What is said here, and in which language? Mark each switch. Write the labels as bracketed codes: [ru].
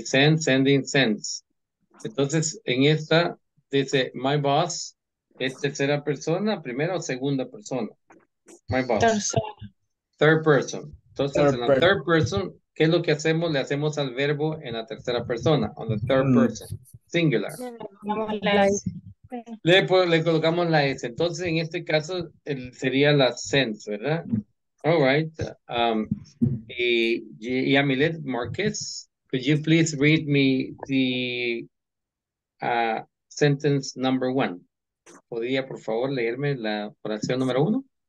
[en] Send, sending, sends. [es] Entonces, en esta, dice [en] my boss, [es] ¿es tercera persona, primera o segunda persona? [en] My boss. Third person. [es] Entonces, en la third person, ¿qué es lo que hacemos? Le hacemos al verbo en la tercera persona, [en] on the third person, singular. [es] Le colocamos la S. Entonces, en este caso, sería la sense, ¿verdad? [en] All right. Y Amilet Marquez, could you please read me the sentence number one? [es] ¿Podría, por favor, leerme la oración número uno?